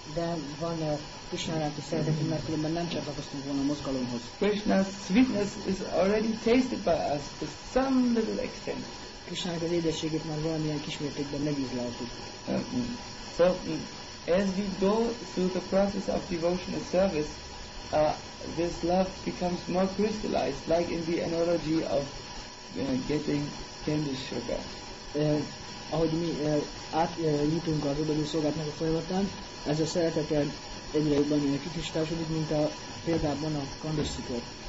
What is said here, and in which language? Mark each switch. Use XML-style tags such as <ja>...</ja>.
<hu>De van Krishna iránti szeretetünk, mert különben nem csatlakoztunk volna a mozgalomhoz.</hu> <en>Krishna's sweetness is already tasted by us to some little extent.</en> <hu>Krishna-nak az édességét már valamilyen kismértékben megízlelhetünk.</hu> <en>So, as we go through the process of devotion and service, this love becomes more crystallized, like in the analogy of getting candy sugar.</en> <hu>Ahogy mi átnyitunk az odaadó szolgálatnak a folyamatán, ez a szeretetel egyre jobban kitisztásodik, mint a példában a kandisszikor.</hu>